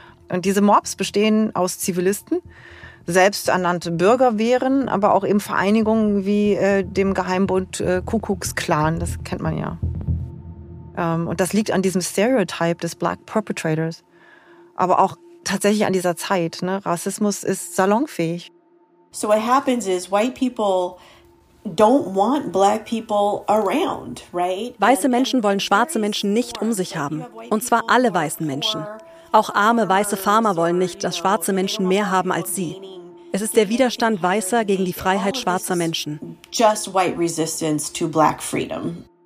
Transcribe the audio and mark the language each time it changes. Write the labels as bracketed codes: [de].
[de] Und diese Mobs bestehen aus Zivilisten, selbsternannte Bürgerwehren, aber auch eben Vereinigungen wie dem Geheimbund Kuckucksklan, das kennt man ja. Und das liegt an diesem Stereotype des Black Perpetrators, aber auch tatsächlich an dieser Zeit. Ne? Rassismus ist salonfähig. [en] So what happens is white people don't want black people around, right? [de] Weiße Menschen wollen schwarze Menschen nicht um sich haben, und zwar alle weißen Menschen. Auch arme weiße Farmer wollen nicht, dass schwarze Menschen mehr haben als sie. Es ist der Widerstand Weißer gegen die Freiheit schwarzer Menschen. [en] Just white resistance to black freedom.